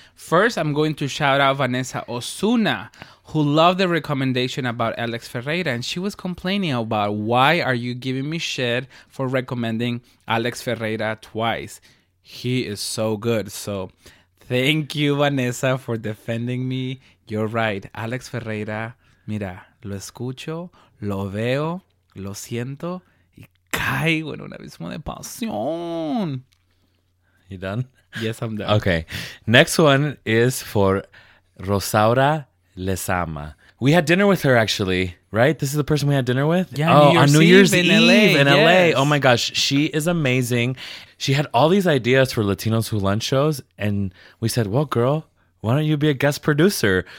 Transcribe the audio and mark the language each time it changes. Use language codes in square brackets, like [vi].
[en] First, I'm going to shout out Vanessa Osuna, who loved the recommendation about Alex Ferreira. And she was complaining about, why are you giving me shit for recommending Alex Ferreira twice? He is so good. So, thank you, Vanessa, for defending me. You're right. [es] Alex Ferreira, mira, lo escucho, lo veo, lo siento. Caigo en un abismo de pasión. [en] You done? Yes, I'm done. Okay. Next one is for Rosaura Lezama. We had dinner with her, actually, right? This is the person we had dinner with? Yeah, New Year's Eve in LA. Yes. Oh my gosh, she is amazing. She had all these ideas for Latinos Who Lunch shows, and we said, well, girl, why don't you be a guest producer?